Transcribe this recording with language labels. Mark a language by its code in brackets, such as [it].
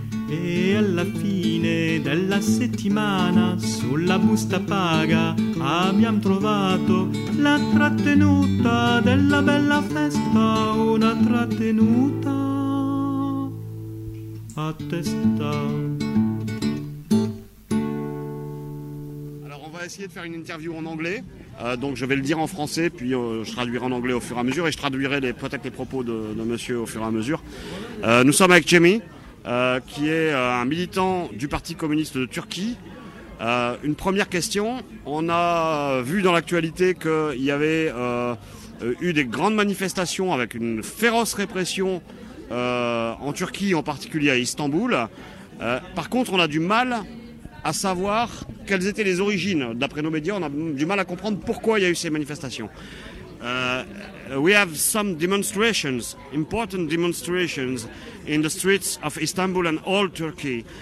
[it] E alla fine della settimana sulla busta paga abbiamo trovato la trattenuta della bella festa, una trattenuta à testa. [fr] Alors on va essayer de faire une interview en anglais, donc je vais le dire en français, puis je traduirai en anglais au fur et à mesure, et je traduirai peut-être les propos de monsieur au fur et à mesure. Nous sommes avec Jamie, qui est un militant du Parti communiste de Turquie. Une première question, on a vu dans l'actualité qu'il y avait eu des grandes manifestations avec une féroce répression en Turquie, en particulier à Istanbul. Par contre, on a du mal à savoir quelles étaient les origines. D'après nos médias, on a du mal à comprendre pourquoi il y a eu ces manifestations. [en] We have some demonstrations, important demonstrations, in the streets of Istanbul and all Turkey.